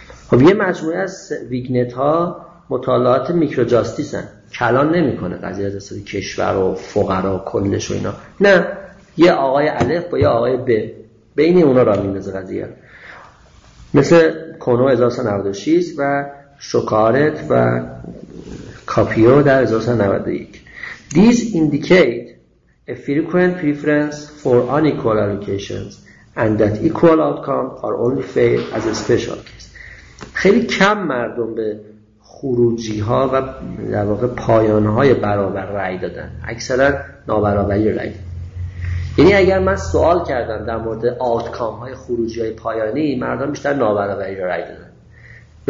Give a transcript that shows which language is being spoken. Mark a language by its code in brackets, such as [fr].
[fa] خب یه مجموعه از ویگنت ها مطالعات میکرو جاستیس هست، کلان نمی کنه قضیه از اصطلاح کشور و فقرا و کلش و اینا، نه، یه آقای الف با یه آقای ب بین اونا را میندازه قضیه، مثل کنو 1996 و شکارت و کاپیو در 1991. [en] These indicate a frequent preference for unequal allocations and that equal outcomes are only fair as a special case. [fa] خیلی کم مردم به خروجی ها و در واقع پایان های برابر رأی دادن، اکثرا نابرابری رأی دادن. یعنی اگر من سوال کردم در مورد آوتکام های خروجی های پایانی، مردم بیشتر نابرابری رای دادن. و